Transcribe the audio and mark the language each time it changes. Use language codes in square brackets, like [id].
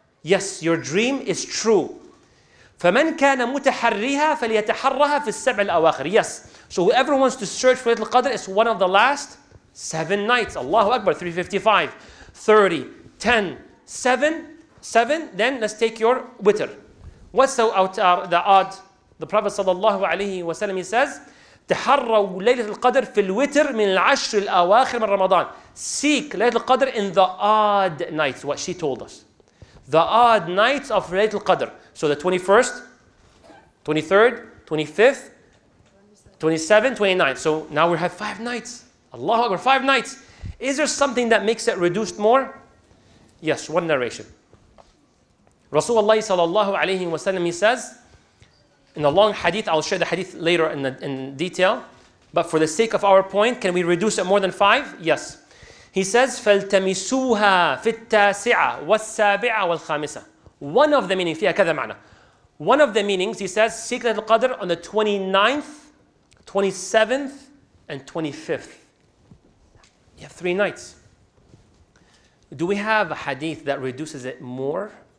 [en] Yes, your dream is true. [ar] فَمَنْ كَانَ مُتَحَرِّيهَا فَلْيَتَحَرَّهَا فِي السَّبْعِ الْأَوَاخِرِ. [en] Yes. So whoever wants to search for Laylatul Qadr is one of the last seven nights. Allahu Akbar, 355, 30, 10, 7, 7. Then let's take your witr. What's so out the odd? The Prophet sallallahu alayhi wa sallam, he says, [ar] تحروا ليلة القدر في الوتر من العشر الأواخر من رمضان. [en] Seek ليلة القدر in the odd nights, what she told us. The odd nights of ليلة القدر. So the 21st, 23rd, 25th, 27th, 29th. So now we have five nights. Allahu Akbar, five nights. Is there something that makes it reduced more? Yes, one narration. Rasulullah sallallahu alayhi wa sallam, he says, in a long hadith, I'll share the hadith later in detail, but for the sake of our point, can we reduce it more than five? Yes. He says, [ar] فَالْتَمِسُوهَا فِي التَّاسِعَةِ وَالسَّابِعَةِ وَالْخَامِسَةِ. [en] One of the meanings, [ar] فِيهَا كَذَا مَعْنَى. [en] One of the meanings, he says, seek the Qadr on the 29th, 27th, and 25th. You have three nights. Do we have a hadith that reduces it more?